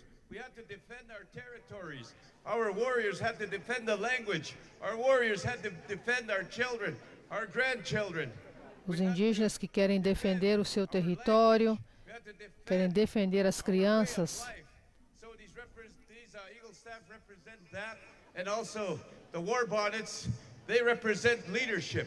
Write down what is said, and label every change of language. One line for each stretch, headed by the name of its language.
English: We had to defend our territories. Our warriors had to defend the language. Our warriors had to defend our children, our grandchildren.
Portuguese: Os indígenas que querem defender o seu território, querem defender as crianças.
English: So these Eagle Staff represent that, and also the war bonnets, they represent leadership.